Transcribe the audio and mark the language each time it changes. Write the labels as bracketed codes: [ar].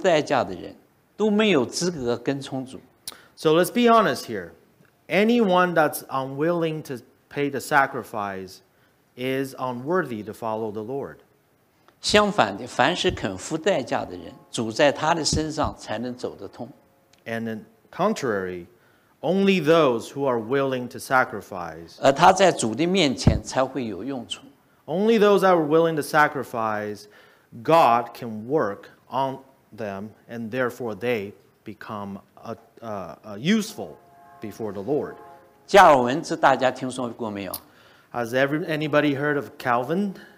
[zh] 老实说,凡是不肯付代价的人,都没有资格跟从主。 [en] So let's be honest here. Anyone that's unwilling to pay the sacrifice is unworthy to follow the Lord. [zh] 相反的, 凡是肯付代价的人, 主在他的身上才能走得通。 [en] And in contrary, only those who are willing to sacrifice, [zh] 而他在主的面前才会有用处。 [en] Only those that are willing to sacrifice, God can work on them, and therefore they become useful. Before the Lord. [zh] 加尔文这大家听说过没有? [en] Has anybody heard of Calvin?